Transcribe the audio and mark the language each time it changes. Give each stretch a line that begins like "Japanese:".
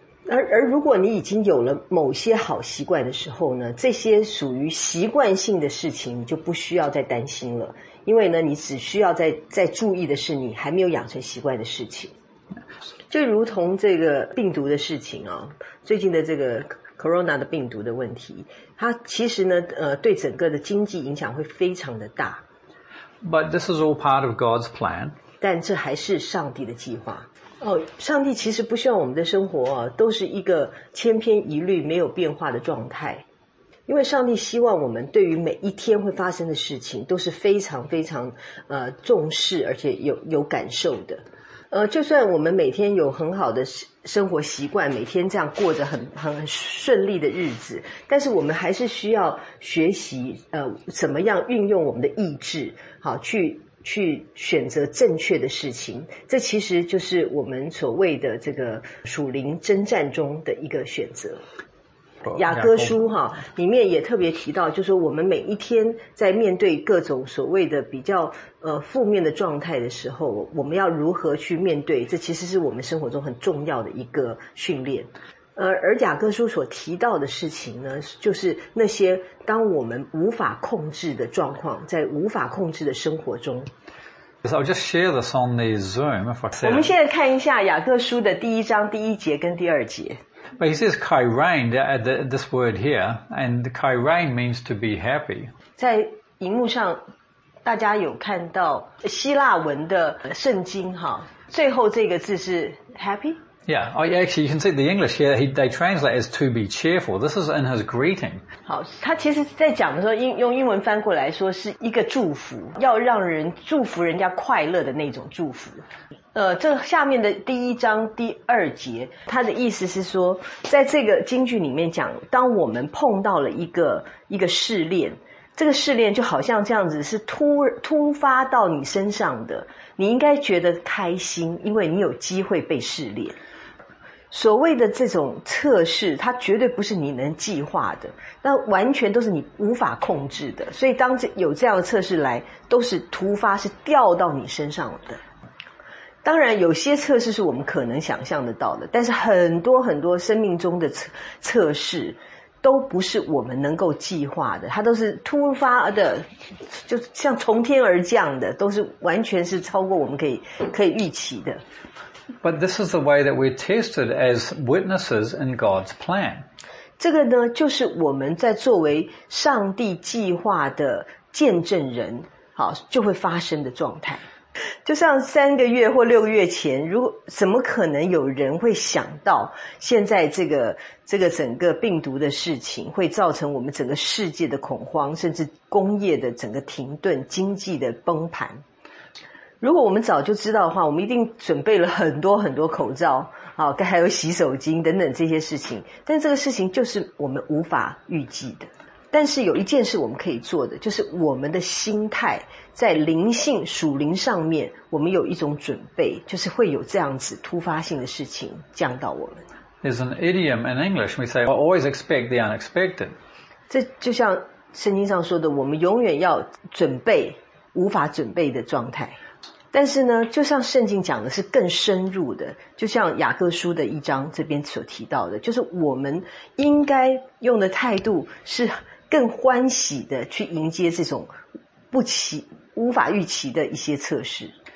Chinese: 而如果你已经有了某些好习惯的时候呢，这些属于习惯性的事情你就不需要再担心了，因为呢你只需要再注意的是你还没有养成习惯的事情。就如同这个病毒的事情啊，最近的这个 Corona 的病毒的问题，它其实呢对整个的经济影响会非常的大。
English: But this is all part of God's plan.
Chinese: 但这还是上帝的计划。上帝其实不希望我们的生活都是一个千篇一律没有变化的状态。因为上帝希望我们对于每一天会发生的事情都是非常非常重视而且有感受的。就算我们每天有很好的生活习惯，每天这样过着很顺利的日子，但是我们还是需要学习怎么样运用我们的意志，好去选择正确的事情。这其实就是我们所谓的这个属灵征战中的一个选择。雅各书里面也特别提到，就是说我们每一天在面对各种所谓的比较负面的状态的时候，我们要如何去面对，这其实是我们生活中很重要的一个训练。而雅各书所提到的事情呢，就是那些当我们无法控制的状况，在无法控制的生活中。
English: So I'll just share this on the Zoom if I say.
Chinese: 我们现在看一下雅各书的第一章第一节跟第二节。
English: But he says kairain, this word here, and kairain means to be happy.
Chinese: 在荧幕上大家有看到希腊文的圣经最后这个字是 happy?
English: Yeah, actually you can see the English here, they translate as to be cheerful. This is in his greeting.
Chinese: 好，他其实在讲的时候用英文翻过来说是一个祝福，要让人祝福人家快乐的那种祝福。这下面的第一章第二节，他的意思是说，在这个经句里面讲，当我们碰到了一个试炼，这个试炼就好像这样子是突发到你身上的，你应该觉得开心，因为你有机会被试炼。所谓的这种测试，它绝对不是你能计划的，那完全都是你无法控制的，所以当有这样的测试来，都是突发，是掉到你身上的。当然有些测试是我们可能想象得到的，但是很多很多生命中的测试都不是我们能够计划的，它都是突发的，就像从天而降的，都是完全是超过我们可以预期的。
English: But this is the way that we're tested as witnesses in God's plan.
Chinese: 这个呢，就是我们在作为上帝计划的见证人，好，就会发生的状态。就像三个月或六个月前，如果怎么可能有人会想到现在这个整个病毒的事情会造成我们整个世界的恐慌，甚至工业的整个停顿，经济的崩盘。如果我们早就知道的话，我们一定准备了很多很多口罩，还有洗手巾等等这些事情，但这个事情就是我们无法预计的。但是有一件事我们可以做的，就是我们的心态在灵性属灵上面，我们有一种准备，就是会有这样子突发性的事情降到我们。
English: There's an idiom in English, we say, always expect the unexpected.
Chinese: 这就像圣经上说的，我们永远要准备无法准备的状态。但是呢，就像圣经讲的是更深入的，就像雅各书的一章这边所提到的，就是我们应该用的态度是更欢喜的去迎接这种无法预期的一些测试。